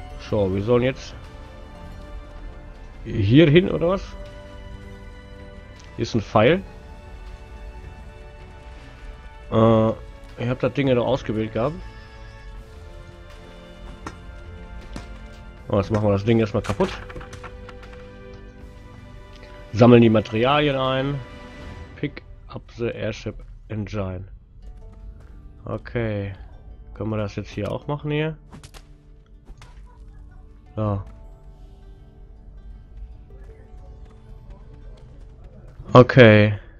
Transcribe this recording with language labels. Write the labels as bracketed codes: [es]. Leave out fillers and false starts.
[de] So, wir sollen jetzt hier hin oder was? Hier ist ein Pfeil. Ich habe das Ding ja noch ausgewählt gehabt. Jetzt machen wir das Ding erstmal kaputt. Sammeln die Materialien ein. [en] Pick up the airship engine. [de] Okay, können wir das jetzt hier auch machen hier? Ja. Okay.